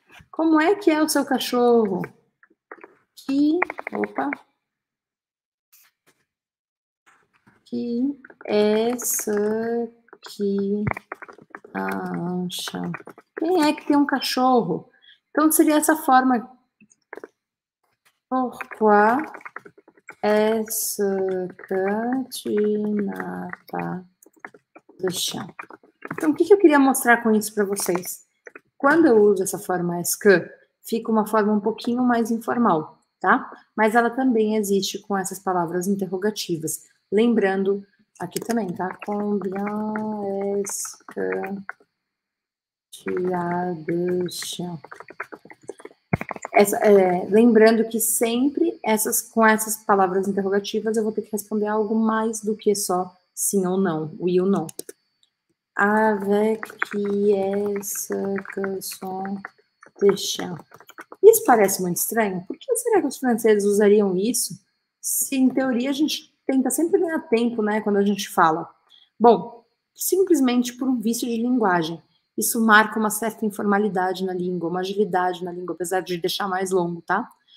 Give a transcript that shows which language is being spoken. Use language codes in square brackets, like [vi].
[pt] Como é que é o seu cachorro? Que, opa. Que essa que acha? Quem é que tem um cachorro? Então seria essa forma. [fr] Pourquoi est-ce que tu n'as pas de chien? [pt] Então, o que eu queria mostrar com isso para vocês? Quando eu uso essa forma est-ce que, fica uma forma um pouquinho mais informal, tá? Mas ela também existe com essas palavras interrogativas. Lembrando aqui também, tá? [fr] Combien est-ce que tu as de chien? [pt] Lembrando que sempre com essas palavras interrogativas eu vou ter que responder algo mais do que só sim ou não, [fr] oui [pt] ou não. [fr] Avec qui est-ce que sont tes chiens? [pt] Isso parece muito estranho. Por que será que os franceses usariam isso? Se em teoria a gente tenta sempre ganhar tempo, né, quando a gente fala. Bom, simplesmente por um vício de linguagem. Isso marca uma certa informalidade na língua, uma agilidade na língua, apesar de deixar mais longo, tá?